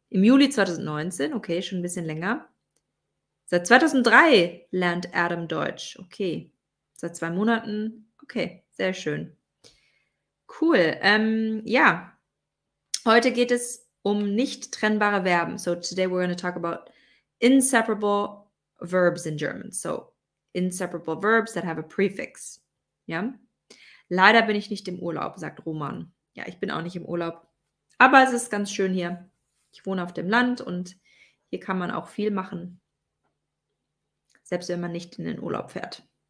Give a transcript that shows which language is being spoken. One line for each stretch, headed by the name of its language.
German: Im Juli 2019, okay, schon ein bisschen länger. Seit 2003 lernt Adam Deutsch. Okay, seit 2 Monaten. Okay, sehr schön. Cool. Ja, heute geht es um nicht trennbare Verben.
English: So today we're going to talk about inseparable verbs in German. So inseparable verbs that have a prefix. Ja?
German: Leider bin ich nicht im Urlaub, sagt Roman. Ja, ich bin auch nicht im Urlaub. Aber es ist ganz schön hier. Ich wohne auf dem Land und hier kann man auch viel machen. Selbst wenn man nicht in den Urlaub fährt.